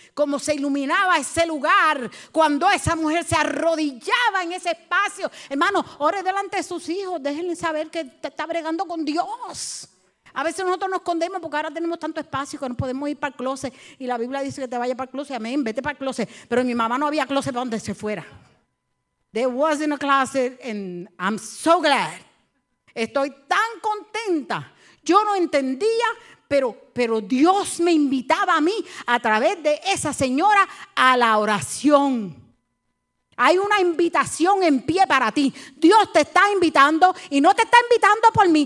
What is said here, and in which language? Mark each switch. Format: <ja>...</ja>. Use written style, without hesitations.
<es>Cómo se iluminaba ese lugar cuando esa mujer se arrodillaba en ese espacio. Hermano, ore delante de sus hijos. Déjenle saber que te está bregando con Dios. A veces nosotros nos escondemos porque ahora tenemos tanto espacio que no podemos ir para el closet. Y la Biblia dice que te vayas para el closet. Amén, vete para el closet. Pero mi mamá no había closet para donde se fuera.</es> <en>There wasn't a closet and I'm so glad.</en> <es>Estoy tan contenta. Yo no entendía, pero Dios me invitaba a mí a través de esa señora a la oración. Hay una invitación en pie para ti. Dios te está invitando y no te está invitando por mí.</es>